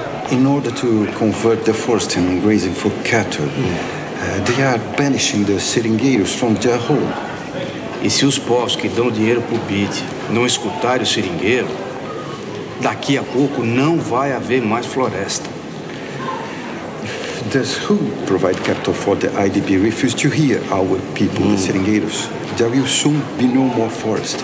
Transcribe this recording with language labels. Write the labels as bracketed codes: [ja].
[en] In order to convert the forest into grazing for cattle, they are banishing the seringueiros from their home. [pt] E se os povos que dão dinheiro para o BID não escutarem o seringueiro, daqui a pouco não vai haver mais floresta. [en] If those who provide capital for the IDB refuse to hear our people, the seringueiros, there will soon be no more forest.